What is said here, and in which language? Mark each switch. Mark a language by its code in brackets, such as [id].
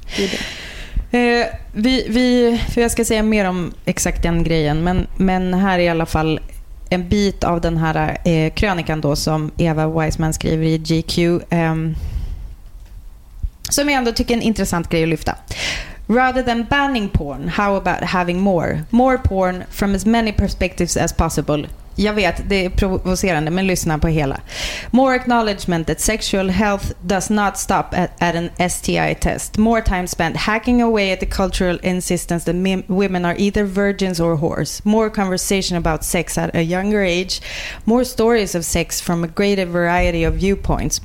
[sv] Det är det. För jag ska säga mer om exakt den grejen, men här är i alla fall en bit av den här krönikan då som Eva Weissman skriver i GQ. Som jag ändå tycker är en intressant grej att lyfta. [en] Rather than banning porn, how about having more? More porn from as many perspectives as possible. [sv] Jag vet, det är provocerande, men lyssna på hela. [en] More acknowledgement that sexual health does not stop at an STI test. More time spent hacking away at the cultural insistence that women are either virgins or whores. More conversation about sex at a younger age. More stories of sex from a greater variety of viewpoints.